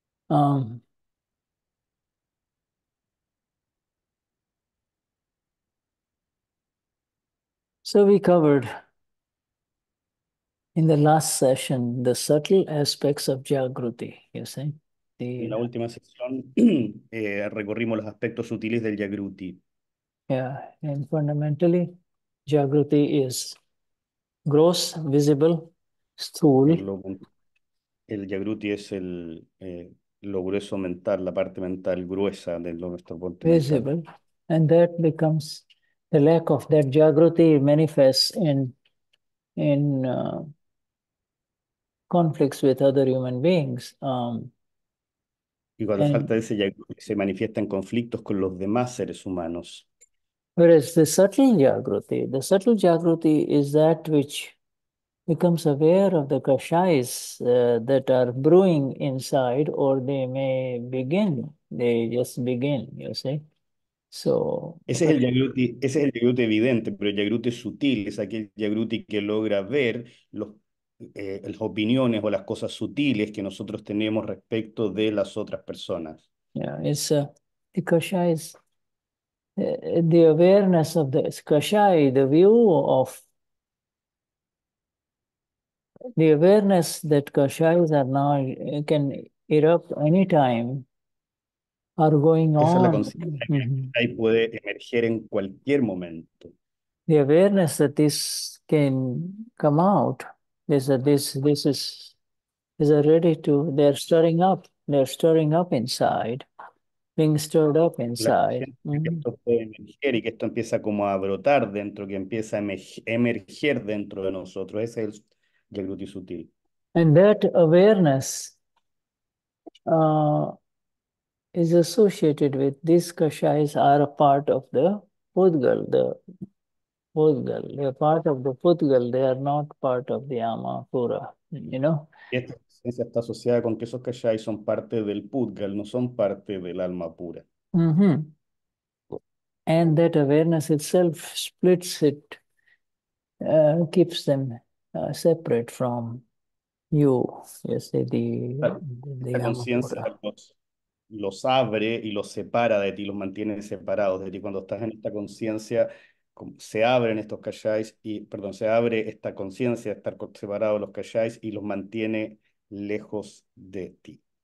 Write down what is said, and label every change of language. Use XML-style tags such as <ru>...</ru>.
<en>So we covered in the last session the subtle aspects of Jagruti, you see?</en> <es>En la última sesión recorrimos los aspectos sutiles del Jagruti.</es> <en>Yeah, and fundamentally Jagruti is gross, visible, stool.</en> <es>El Jagruti es el lo grueso mental, la parte mental gruesa de nuestro punto.</es> <en>Visible. And that becomes the lack of that Jagruti manifests in conflicts with other human beings.</en> <es>Y cuando falta ese Jagruti se manifiesta en conflictos con los demás seres humanos.</es> <en>Whereas the subtle Jagruti is that which becomes aware of the kashais that are brewing inside, or they may begin, they just begin, you see. So,</en> <es>ese es el Jagruti evidente, pero el Jagruti sutil es aquel Jagruti que logra ver las opiniones o las cosas sutiles que nosotros tenemos respecto de las otras personas.</es> <en>Yeah, it's the kashais. The awareness of the kashai, the view of the awareness that kashais are now can erupt any time are going on. Ahí puede emerger en cualquier momento. The awareness that this can come out is that this is ready to, they're stirring up inside. Being stirred up inside.</en> <es>Esto puede emerger y que esto empieza como a brotar dentro, que empieza a emerger dentro de nosotros. Ese es el Jagruti sutil.</es> <en>And that awareness is associated with these kashais are a part of the pudgal. The pudgal. They are part of the pudgal. They are not part of the ama pura. You know.</en> <es>Yes. Esa está asociada con que esos kashais son parte del pudgal, no son parte del alma pura.</es> <en>Mm-hmm. And that awareness itself splits it keeps them separate from you, you say the</en> <es>La conciencia Yamapura. Los abre y los separa de ti, los mantiene separados de ti. Cuando estás en esta conciencia, se abren estos kashais y, perdón, se abre esta conciencia de estar separado de los kashais y los mantiene lejos de ti.</es>